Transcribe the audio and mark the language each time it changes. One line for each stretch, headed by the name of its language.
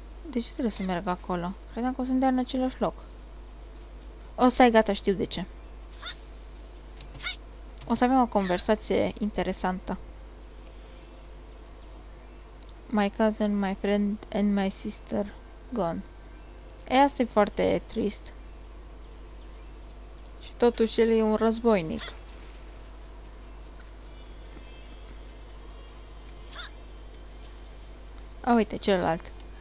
Romanian: De ce trebuie să merg acolo? Credeam că o să-mi dea în același loc. O, stai, gata, știu de ce. O să avem o conversație interesantă.
English: My cousin, my friend and my sister gone.
Romanian: E, asta e foarte trist. Și totuși el e un războinic. A, uite, celălalt.